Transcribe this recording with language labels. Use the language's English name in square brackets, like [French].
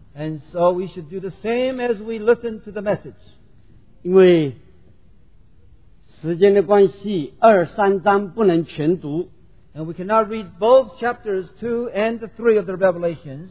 [English] and so we should do the same as we listen to the message. [Chinese] 因为时间的关系, 二、三章不能全读, [English] and we cannot read both chapters 2 and 3 of the Revelations.